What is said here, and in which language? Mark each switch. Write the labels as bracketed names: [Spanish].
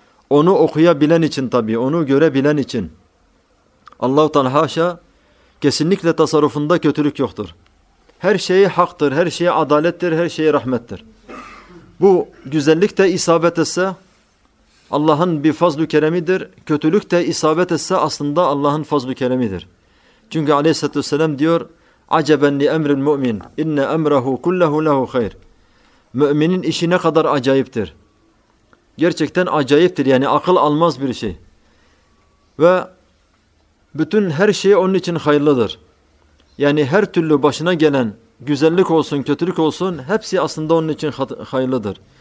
[Turkish] Onu okuyabilen için tabii, onu görebilen için. Allah-u Teala haşa, kesinlikle tasarrufunda kötülük yoktur. Her şeyi haktır, her şeyi adalettir, her şeyi rahmettir. Bu güzellik de isabet etse Allah'ın bir fazl-ü keremidir. Kötülük de isabet etse aslında Allah'ın fazl-ü keremidir. Çünkü aleyhissalatü vesselam diyor, [Arabic] اَجَبًا لِأَمْرِ الْمُؤْمِنِ اِنَّ اَمْرَهُ كُلَّهُ لَهُ خَيْرٍ. [Turkish] Müminin işi ne kadar acayiptir. Gerçekten acayiptir. Yani akıl almaz bir şey. Ve bütün her şey onun için hayırlıdır. Yani her türlü başına gelen güzellik olsun, kötülük olsun, hepsi aslında onun için hayırlıdır.